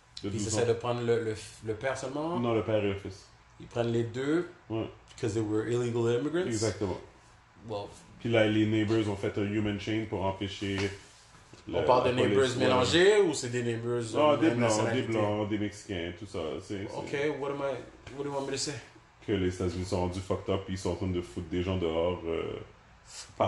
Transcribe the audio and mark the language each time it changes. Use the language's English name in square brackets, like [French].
[French] Puis ils essaient de prendre le père seulement? Non, le père et le fils. Ils prennent les deux? Ouais. [English] Because they were illegal immigrants? [French] Exactement. [English] Well, [French] puis là, les neighbors ont fait un human chain pour empêcher... On parle de neighbors mélangés ou c'est des neighbors... Ah, des blancs, des Mexicains, tout ça. [English] OK, what do you want me to say? [French] Que les États-Unis sont rendus fucked up, puis ils sont en train de foutre des gens dehors par